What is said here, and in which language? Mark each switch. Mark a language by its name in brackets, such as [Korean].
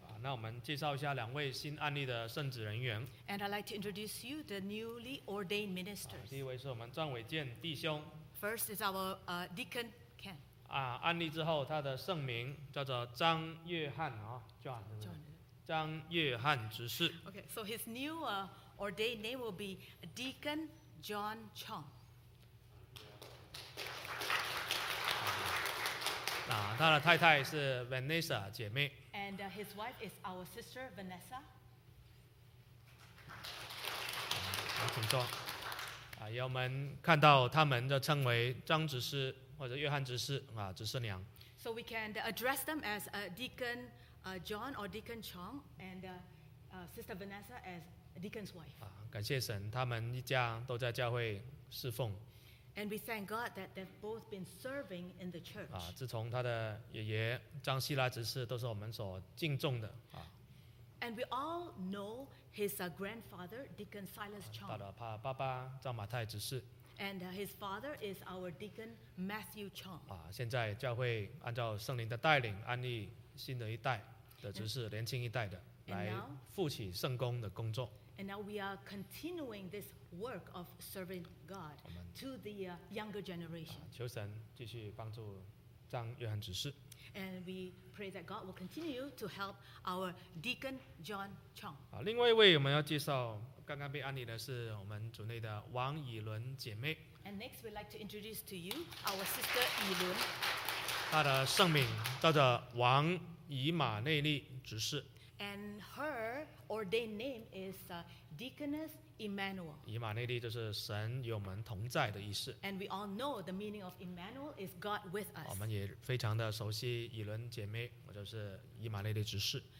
[Chinese] 那我们介绍一下两位新案例的圣职人员。 [English] And I'd like to introduce you the newly ordained ministers. [Chinese] 第一位是我们张伟健弟兄。 [English] First is our Deacon Ken. [Chinese] 啊，案例之后，他的圣名叫做张约翰啊、哦、，John 是不是？张约翰执事。 [English] Okay, so his new ordained name will be Deacon John Chong. [Chinese] 啊，他的太太是 Vanessa 姐妹。 [English] And his wife is our sister Vanessa. [Chinese] 啊，请坐。啊，我们看到他们的称为张执事或者约翰执事啊，执事娘。 [English] So we can address them as a Deacon John or Deacon Chong, and sister Vanessa as Deacon's wife. [Chinese] 啊，感谢神，他们一家都在教会侍奉。 [English] And we thank God that they've both been serving in the church. [Chinese] 啊，自从他的爷爷张希拉执事都是我们所敬重的啊。 [English] And we all know his grandfather, Deacon Silas Chong. [Chinese] 到了他爸爸张马太执事。 [English] And his father is our Deacon Matthew Chong. [Chinese] 啊，现在教会按照圣灵的带领，安立新的一代的执事，年轻一代的来负起圣工的工作。 [English] And now we are continuing this work of serving God to the younger generation. [Chinese] 求神继续帮助张约翰执事。 [English] And we pray that God will continue to help our Deacon John Chong. [Chinese] 另外一位我们要介绍刚刚被安利的是我们组内的王以伦姐妹。 [English] And next we'd like to introduce to you our sister 以伦。 [Chinese] 她的圣名叫做王以马内利执事。 [English] And her ordained name is Deaconess Emmanuel. [Chinese] 以马内利就是神与我们同在的意思。 [English] And we all know the meaning of Emmanuel is God with us. [Chinese] 我们也非常的熟悉以伦姐妹，我就是以马内利执事。